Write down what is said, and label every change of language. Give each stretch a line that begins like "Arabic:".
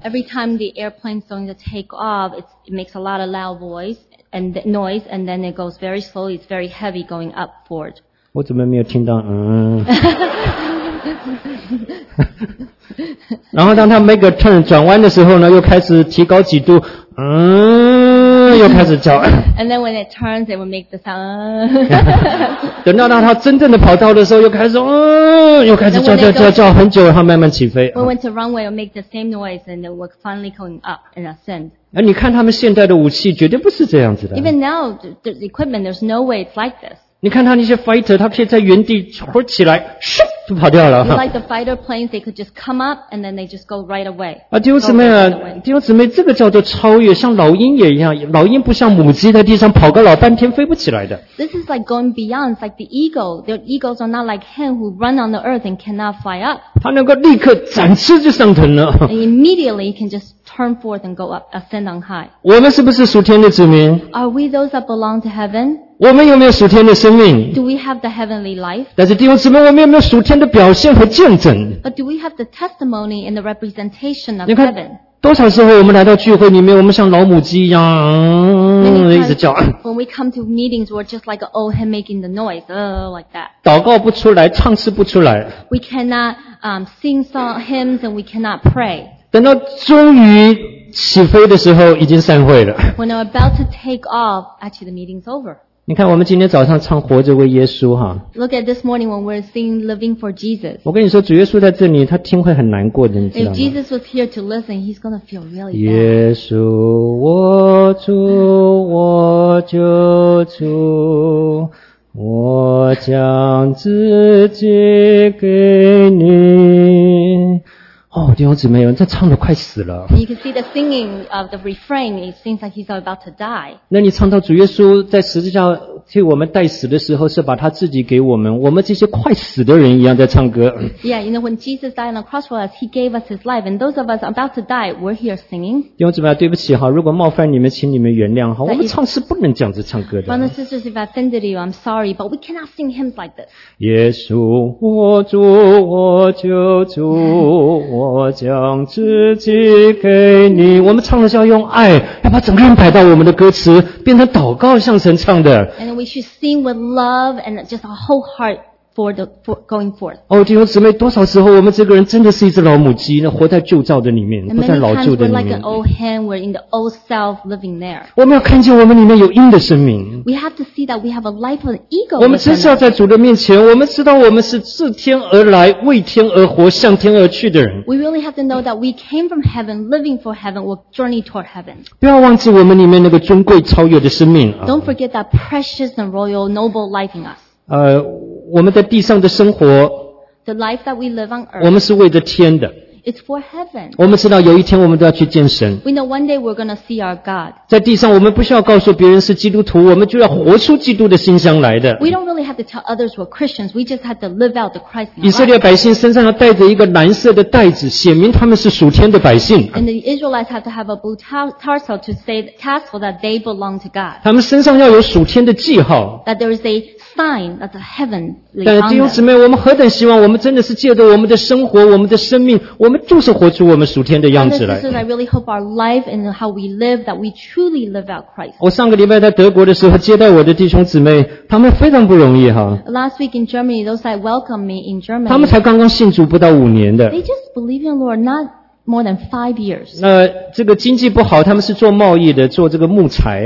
English: Every time the airplane is going to take off, it makes a lot of loud voice and noise, and then it goes very slowly, it's very heavy going upward.
Chinese: 我怎么没有听到然后当它
English: make a turn,
Chinese: 转弯的时候呢又开始提高几度又开始叫。
English: And then when it turns, it will make the sound.
Chinese: 等到他真正的跑道的时候，又开始，又开始叫叫叫叫很久，他慢慢起飞。
English: When went to runway, it will make the same noise, and it will finally going up and ascend.
Chinese: 而你看他们现代的武器，绝对不是这样子的。
English: Even now, the equipment, there's no way it's like this.
Chinese: 你看他那些 fighter, 他可以在原地活起来，咻就跑掉了。
English: Like the fighter planes, they could just come up and then they just go right away.
Chinese: 啊，弟兄姊妹啊，弟兄姊妹，这个叫做超越，像老鹰也一样，老鹰不像母鸡在地上跑个老半天飞不起来的。
English: This is like going beyond, like the eagle. The eagles are not like hen who run on the earth and cannot fly up.
Chinese: 他能够立刻展翅就上腾了。
English: And immediately can just turn forth and go up, ascend on high.
Chinese: 我们是不是属天的子民？
English: Are we those that belong to heaven?
Chinese: 我们有没有属天的生命？
English: Do we have the heavenly life?
Chinese: 但是弟兄姊妹，我们有没有属天的表现和见证？
English: But do we have the testimony and the representation of heaven?
Chinese: 你看，多少时候我们来到聚会里面，我们像老母鸡一样，一直叫。
English: When we come to meetings, we're just like an old hen making the noise, like that.
Chinese: 祷告不出来，唱诗不出来。
English: We cannot sing song hymns and we cannot pray.
Chinese: 等到终于起飞的时候已经散会了。
English: When I'm about to take off, actually the meeting's over.
Chinese: 你看我们今天早上唱活着为耶稣哈。
English: Look at this morning when we're singing Living for Jesus.
Chinese: 我跟你说主耶稣在这里他听会很难过的你知道吗
English: If Jesus was here to listen, he's going to feel really bad.
Chinese: 耶稣我主我救主我将自己给你哦，弟兄姊妹，他唱得快死了。
English: You can see the singing of the refrain. It seems like he's about to die.
Chinese: 那你唱到主耶稣在十字架替我们代死的时候，是把他自己给我们，我们这些快死的人一样在唱歌。
English: Yeah, you know when Jesus died on the cross for us, he gave us his life, and those of us about to die, we're here singing.
Chinese: 弟兄姊妹，对不起哈，如果冒犯你们，请你们原谅哈。我们唱诗不能这样子唱歌的。
English: Brothers and sisters, if I offended you, I'm sorry, but we cannot sing hymns like this.
Chinese: 耶稣，我主，我救主。我将自己给你我们唱的是要用爱要把整个人摆到我们的歌词变成祷告向神唱的
English: And we should sing with love and just a whole heart for going forth
Chinese: 哦，弟兄姊妹多少时候我们这个人真的是一只老母鸡活在旧照的里面不在老旧的里面
English: And many times we're like an old hen we're in the old self living there
Chinese: 我们要看见我们里面有鹰的生命
English: We have to see that we have a life of an eagle
Chinese: 我们真是要在主的面前我们知道我们是自天而来为天而活向天而去的人
English: We really have to know that we came from heaven living for heaven or journey toward heaven
Chinese: 不要忘记我们里面那个尊贵超越的生命
English: Don't forget that precious and royal noble life in us
Chinese: 我们在地上的生活
English: The life that we live on earth,
Chinese: 我们是为着天的
English: It's for heaven.
Chinese: 我们知道有一天我们都要去见神
English: We know one day we're going to see our God.
Chinese: 在地上我们不需要告诉别人是基督徒我们就要活出基督的馨香来的
English: We don't really have to tell others we're Christians. We just have to live out the Christ in our life.
Chinese: 以色列百姓身上要带着一个蓝色的袋子显明他们是属天的百姓
English: And the Israelites have to have a blue tassel to say the tassel that they belong to God.
Chinese: 他们身上要有属天的记号
English: That there is a sign that the heaven
Chinese: 但弟兄姊妹我们何等希望我们真的是借着我们的生活我们的生命我们就是活出我们属天的样子来
English: I really hope our life and how we live that we truly live out Christ
Chinese: 我上个礼拜在德国的时候接待我的弟兄姊妹他们非常不容易哈
English: Last week in Germany those that welcomed me in Germany
Chinese: 他们才刚刚信主不到五年的
English: They just believe in the Lord not more than 5 years
Chinese: 那这个经济不好他们是做贸易的做这个木材